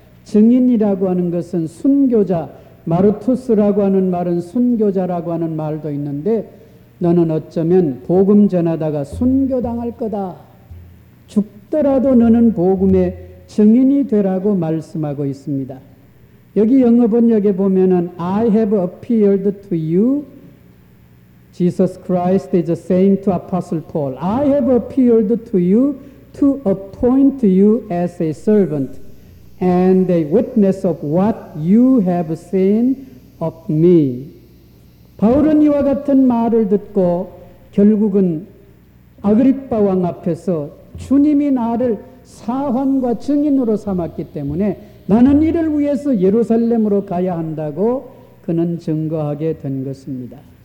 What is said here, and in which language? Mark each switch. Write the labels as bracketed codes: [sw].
[ko] 증인이라고 하는 것은 순교자, 마르투스라고 하는 말은 순교자라고 하는 말도 있는데, 너는 어쩌면 복음 전하다가 순교당할 거다. 죽더라도 너는 복음의 증인이 되라고 말씀하고 있습니다. 여기 영어 번역에 보면은 [en] I have appeared to you. Jesus Christ is saying to Apostle Paul, I have appeared to you to appoint you as a servant and a witness of what you have seen of me. [ko] 바울은 이와 같은 말을 듣고 결국은 아그립바 왕 앞에서 주님이 나를 사환과 증인으로 삼았기 때문에 나는 이를 위해서 예루살렘으로 가야 한다고 그는 증거하게 된 것입니다.